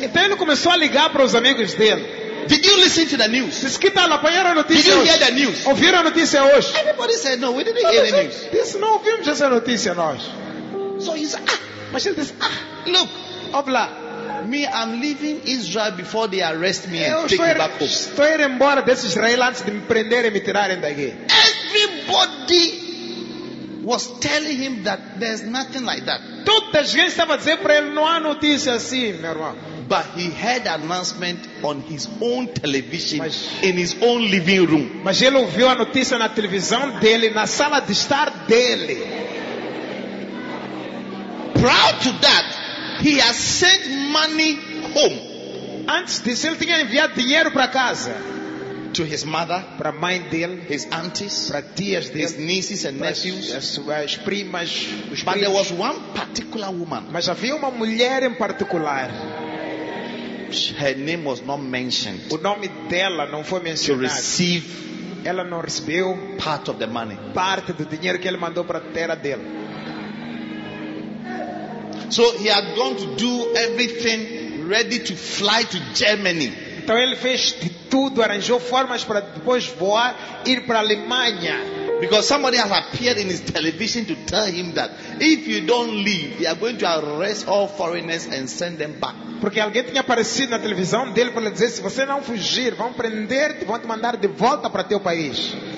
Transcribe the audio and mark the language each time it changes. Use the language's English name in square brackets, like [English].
[Portuguese] Então ele começou a ligar para os amigos dele. [English] Did you listen to the news? [Portuguese] Escuta, apanharam a notícia. [English] Did you hear the news? [Portuguese] Ouviram a notícia hoje? [English] Everybody said no, we didn't hear the news. [Portuguese] Disse, não ouvimos essa notícia nós. [English] So he said, ah, [Portuguese] mas ele disse, ah, [English] look, obla, me, I'm leaving Israel before they arrest me and take me back home. [Portuguese] Estou indo embora desse Israel antes de me prenderem e me tirarem daqui. [English] Everybody was telling him that there's nothing like that. [Portuguese] Toda a gente estava dizendo para ele, não há notícia assim, meu irmão. [English] But he heard an announcement on his own television, in his own living room. [Portuguese] Mas ele ouviu a notícia na televisão dele, na sala de estar dele. [English] Prior to that, he has sent money home. [Portuguese] Antes disso, ele tinha enviado dinheiro para casa. [English] To his mother, [Portuguese] para mãe dele, [English] his aunties, [Portuguese] para tias dele, [English] his nieces and nephews, [Portuguese] as suas primas. [English] But there was one particular woman. [Portuguese] Mas havia uma mulher em particular. [English] Her name was not mentioned. [Portuguese] O nome dela não foi mencionado. [English] To receive, [Portuguese] ela não recebeu [English] part of the money. [Portuguese] Parte do dinheiro que ele mandou para a terra dele. [English] So he had gone to do everything, ready to fly to Germany. [Portuguese] Então ele fez de tudo, arranjou formas para depois voar, ir para a Alemanha. [English] Because somebody has appeared in his television to tell him that if you don't leave, they are going to arrest all foreigners and send them back. [Portuguese] Porque alguém tinha aparecido na televisão dele para lhe dizer, se você não fugir, vão prender-te, vão te mandar de volta para teu país.